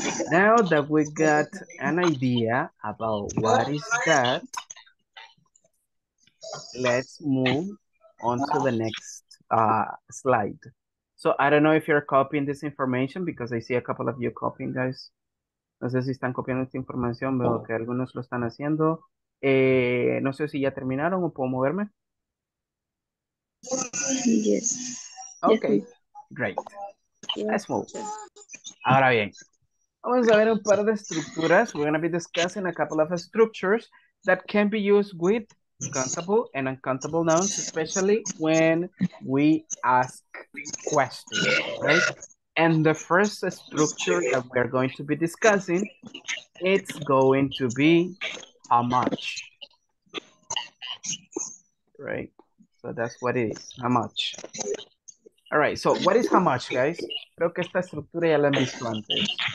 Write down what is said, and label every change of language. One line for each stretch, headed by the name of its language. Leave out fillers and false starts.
English: Now that we got an idea about what is that, let's move on to the next slide. So I don't know if you're copying this information, because I see a couple of you copying, guys.
Spanish: No sé si están copiando esta información, veo que algunos lo están haciendo. No sé si ya terminaron o puedo moverme.
English: Yes. Okay, yes. Great. Let's move.
Spanish: Ahora bien, vamos a ver un par de estructuras.
English: We're going to be discussing a couple of structures that can be used with countable and uncountable nouns, especially when we ask questions, right? And the first structure that we are going to be discussing, it's going to be how much, right? So that's what it is, how much. All right, so what is how much, guys?
Spanish: Creo que esta estructura ya la han visto antes.